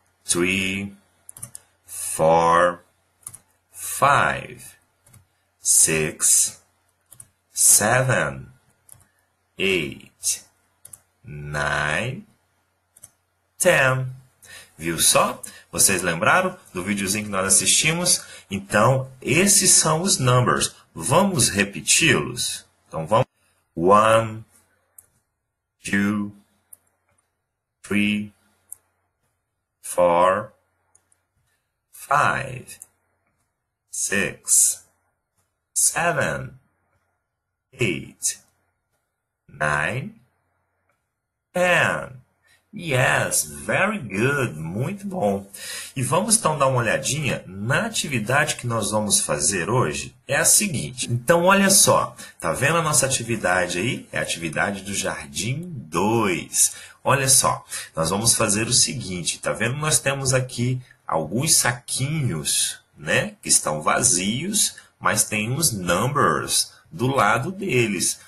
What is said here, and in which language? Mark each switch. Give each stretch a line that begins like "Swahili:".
English: Three, four, five, six, seven, eight, nine, ten.
Portuguese: Viu só? Vocês lembraram do videozinho que nós assistimos? Então, esses são os numbers. Vamos repeti-los? Então, vamos.
English: One, two, three, four, five, six, seven, eight, nine, ten. Yes, very good,
Portuguese: muito bom. E vamos então dar uma olhadinha na atividade que nós vamos fazer hoje. É a seguinte. Então olha só, tá vendo a nossa atividade aí? É a atividade do Jardim 2. Olha só, nós vamos fazer o seguinte, tá vendo? Nós temos aqui alguns saquinhos, né, que estão vazios, mas tem uns numbers do lado deles.